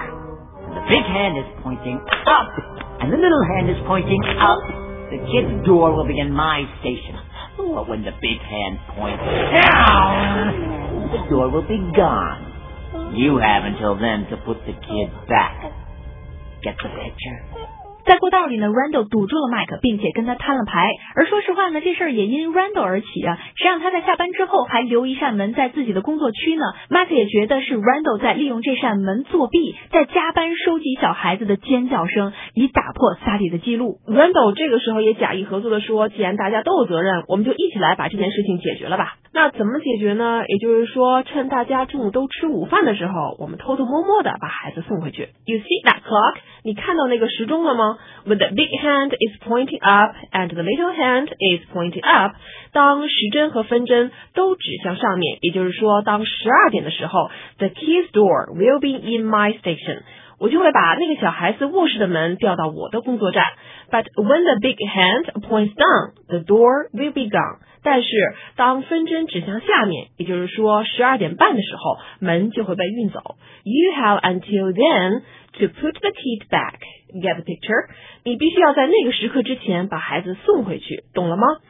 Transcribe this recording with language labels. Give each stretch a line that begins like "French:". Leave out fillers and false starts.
English: The big hand is pointing up, and the little hand is pointing up. The kid's door will be in my station. But when the big hand points down, the door will be gone. You have until then to put the kid back. Get the picture?
Chinese: 在过道里呢， Randall 堵住了 Mike， 并且跟他摊了牌。而说实话呢，这事儿也因 Randall 而起啊，谁让他在下班之后还留一扇门在自己的工作区呢？ Mike 也觉得是 Randall 在利用这扇门作弊，在加班收集小孩子的尖叫声，以打破萨利的记录。 Randall 这个时候也假意合作的说，既然大家都有责任，我们就一起来把这件事情解决了吧。那怎么解决呢？也就是说，趁大家中午都吃午饭的时候，我们偷偷摸摸的把孩子送回去。
English: You see that clock?
Chinese: 你看到那个时钟了吗？
English: When the big hand is pointing up and the little hand is pointing up,
Chinese: 当时针和分针都指向上面，也就是说当12点的时候，
English: the kid's door will be in my station.
Chinese: 我就会把那个小孩子卧室的门调到我的工作站。
English: But when the big hand points down, the door will be gone.
Chinese: 但是当分针指向下面，也就是说12点半的时候，门就会被运走。
English: You have until then to put the kid back. Get the picture?
Chinese: 你必须要在那个时刻之前把孩子送回去，懂了吗？